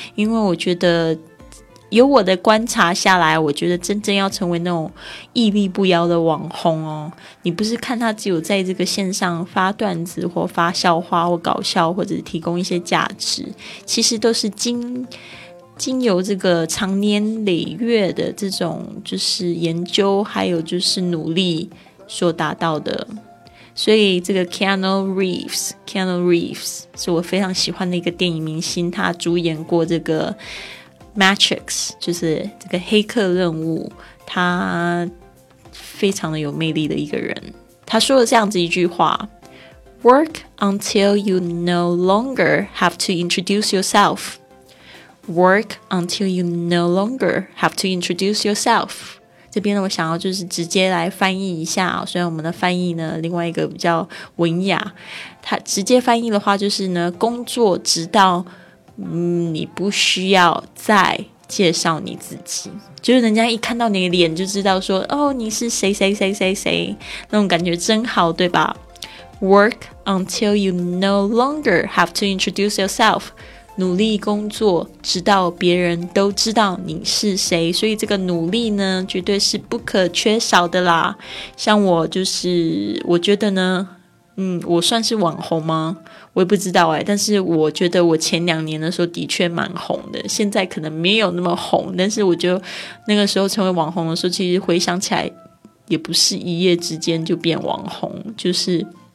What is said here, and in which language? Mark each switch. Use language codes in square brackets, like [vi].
[zh] 因为我觉得，由我的观察下来，我觉得真正要成为那种屹立不摇的网红哦，你不是看他只有在这个线上发段子或发笑话或搞笑或者提供一些价值，其实都是经由这个长年累月的这种就是研究还有就是努力所达到的。所以这个 Keanu Reeves 是我非常喜欢的一个电影明星，他主演过这个Matrix 就是这个黑客任务，他非常的有魅力的一个人。他说了这样子一句话， [en] Work until you no longer have to introduce yourself. Work until you no longer have to introduce yourself. [zh] 这边呢，我想要就是直接来翻译一下，虽然我们的翻译呢另外一个比较文雅，他直接翻译的话就是呢，工作直到你不需要再介绍你自己，就是人家一看到你的脸就知道说，哦，你是谁谁谁谁谁，那种感觉真好，对吧？ [en] Work until you no longer have to introduce yourself， [zh] 努力工作直到别人都知道你是谁。所以这个努力呢绝对是不可缺少的啦。像我就是我觉得呢，我算是网红吗？我也不知道，但是我觉得我前两年的时候的确蛮红的，现在可能没有那么红，但是我觉得那个时候成为网红的时候，其实回想起来也不是一夜之间就变网红，就是